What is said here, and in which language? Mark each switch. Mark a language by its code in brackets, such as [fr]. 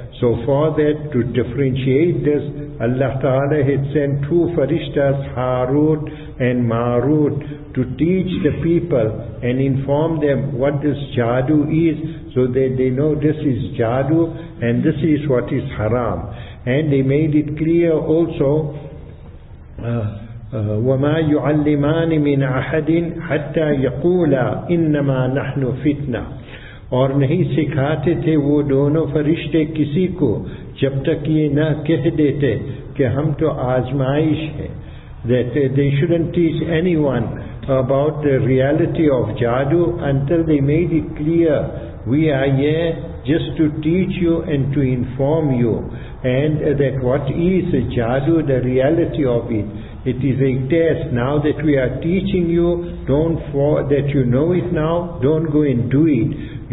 [en] So for that, to differentiate this, Allah Ta'ala had sent two farishtas, Harut and Marut, to teach the people and inform them what this jadu is, so that they know this is jadu and this is what is haram. [ar] And they made it clear also, وَمَا يُعَلِّمَانِ مِنْ أَحَدٍ حَتَّى يَقُولَ إِنَّمَا نَحْنُ فِتْنَةٌ. [ur] اور نہیں سکھاتے تھے وہ دونوں فرشتے کسی کو جب تک یہ نہ کہہ دیتے کہ ہم تو آزمائش ہیں. [en] That they shouldn't teach anyone about the reality of jadu until they made it clear, we are here just to teach you and to inform you, and that what is a jadu, the reality of it. It is a test. Now that we are teaching you, that you know it now, don't go and do it.